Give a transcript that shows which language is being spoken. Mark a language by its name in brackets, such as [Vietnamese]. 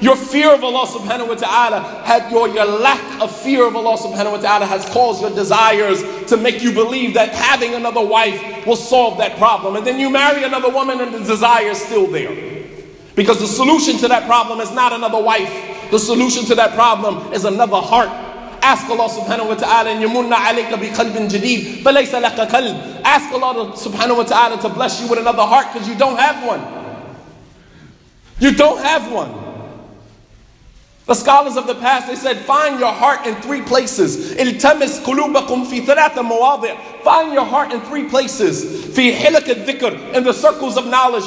[English] Your fear of Allah subhanahu wa ta'ala, your lack of fear of Allah subhanahu wa ta'ala has caused your desires to make you believe that having another wife will solve that problem. And then you marry another woman and the desire is still there. Because the solution to that problem is not another wife. The solution to that problem is another heart. Ask Allah subhanahu wa ta'ala, [Arabic] يَمُنَّ عَلَيْكَ بِقَلْبٍ جَدِيدٍ فَلَيْسَ لَكَ قَلْبٍ. [English] Ask Allah subhanahu wa ta'ala to bless you with another heart, because you don't have one. You don't have one. The scholars of the past, they said, find your heart in three places. [Arabic] إِلْتَمِسْ قُلُوبَكُمْ فِي ثَلَاثَ مَوَاضِعٍ. [English] Find your heart in three places. [Arabic] فِي حِلَكَ الذِّكْرِ, [English] in the circles of knowledge.